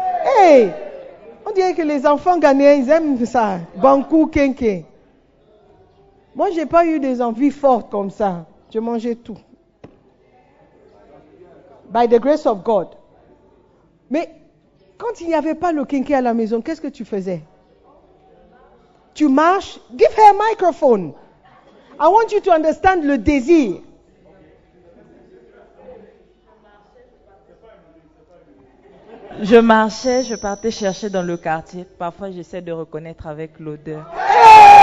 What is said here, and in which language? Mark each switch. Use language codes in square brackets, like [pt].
[fr] Hey, on dirait que les enfants ghanéens aiment ça. Banquo, kenke. Moi, j'ai pas eu des envies fortes comme ça. Je mangeais tout. [en] By the grace of God. [fr] Mais quand il n'y avait pas le kenke à la maison, qu'est-ce que tu faisais? Tu marches, [en] give her a microphone. I want you to understand [fr] le désir. Je marchais, je partais chercher dans le quartier. Parfois, j'essaie de reconnaître avec l'odeur. Hey!